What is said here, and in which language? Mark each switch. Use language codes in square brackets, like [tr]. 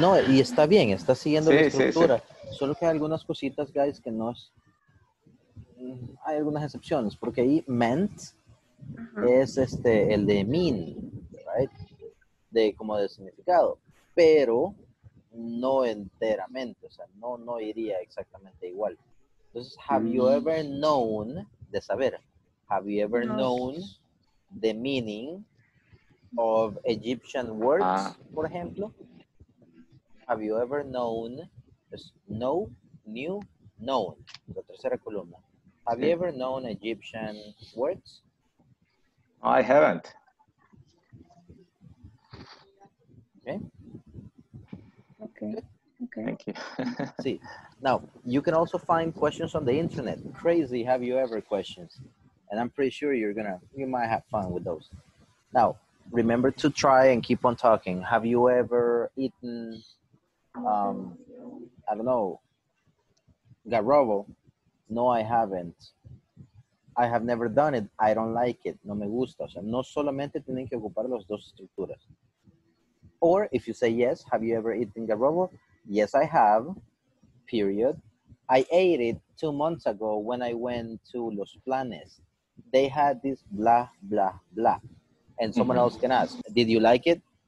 [es] No, y está bien, está siguiendo la estructura. Sí, sí. Solo que hay algunas cositas, guys, que nos... Hay algunas excepciones, porque ahí meant es el de mean, right? De como de significado, pero no enteramente, o sea, no iría exactamente igual. Entonces, [en] have you ever known, [es] de saber, [en] have you ever known the meaning of Egyptian words, [es] por ejemplo? [en] Have you ever known, es know, new, known, [es] la tercera columna. [en] Have you ever known Egyptian words? I haven't. Okay. Okay. Okay. Thank you. See, now you can also find questions on the internet. Crazy, have you ever questions? And I'm pretty sure you might have fun with those. Now, remember to try and keep on talking. Have you ever eaten, I don't know, garrobo? No, I haven't. I have never done it. I don't like it. [es] No me gusta. O sea, no solamente tienen que ocupar los dos estructuras. [en] Or if you say yes, have you ever eaten garrobo? Yes, I have. Period. I ate it 2 months ago when I went to Los Planes. They had this blah, blah, blah. And someone else can ask, did you like it?